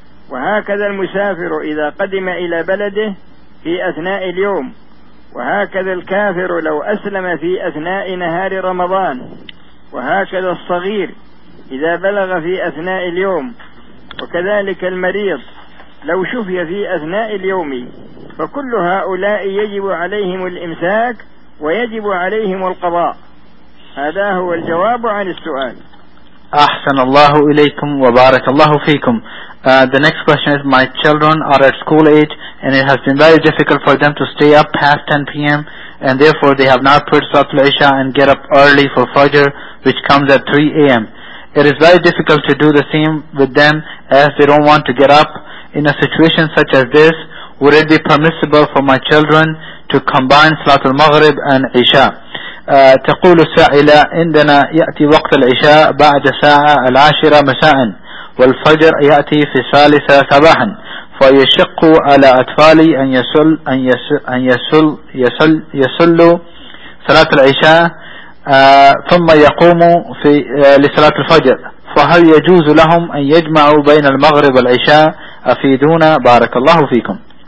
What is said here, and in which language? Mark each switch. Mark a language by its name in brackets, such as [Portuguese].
[Arabic] وهكذا المسافر إذا قدم إلى بلده في أثناء اليوم، وهكذا الكافر لو أسلم في أثناء نهار رمضان، وهكذا الصغير إذا بلغ في أثناء اليوم، وكذلك المريض لو شفي في أثناء اليوم، فكل هؤلاء يجب عليهم الإمساك ويجب عليهم القضاء. هذا هو الجواب عن السؤال. أحسن الله إليكم وبارك الله فيكم. [English] The next question is, my children are at school age and it has been very difficult for them to stay up past 10 p.m. and therefore they have not prayed Salatul Isha and get up early for Fajr, which comes at 3 a.m. It is very difficult to do the same with them as they don't want to get up. In a situation such as this, would it be permissible for my children to combine Salatul Maghrib and Isha? [Arabic] تقول السائلة عندنا يأتي وقت العشاء بعد ساعة العاشرة مساء والفجر يأتي في الثالثة صباحا، فيشق على أطفالي أن يصلوا صلاة العشاء ثم يقوموا في لصلاة الفجر، فهل يجوز لهم أن يجمعوا بين المغرب والعشاء؟ أفيدونا بارك الله فيكم.